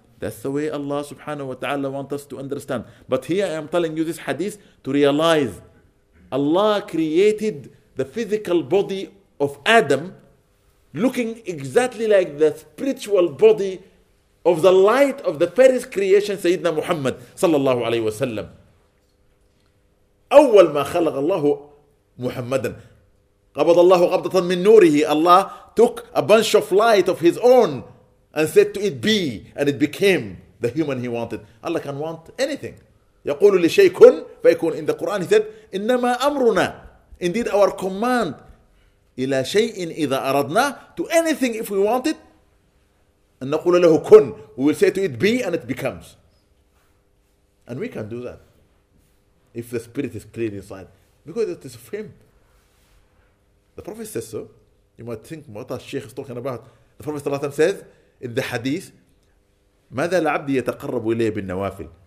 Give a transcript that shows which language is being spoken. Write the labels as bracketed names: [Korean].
[English] That's the way Allah subhanahu wa ta'ala wants us to understand. But here I am telling you this hadith to realize Allah created the physical body of Adam looking exactly like the spiritual body of the light of the fairest creation, Sayyidina Muhammad sallallahu alayhi wa sallam. [Arabic] أول ما خلق الله محمدا قبض الله قبضة من نوره. [English] Allah took a bunch of light of his own and said to it be, and it became the human he wanted. Allah can want anything. [Arabic] يقول لشيء كن فيكون. [English] In the Quran he said, [Arabic] إنما أمرنا. [English] Indeed our command. [Arabic] إلى شيء إذا أردنا. [English] To anything if we want it. [Arabic] أن نقول له كن. [English] We will say to it be and it becomes. And we can do that. If the spirit is clear inside. Because it is of him. The Prophet says so. You might think what the Sheikh is talking about. The Prophet says in the hadith, [Arabic] ماذا العبد يتقرب إليه بالنوافل.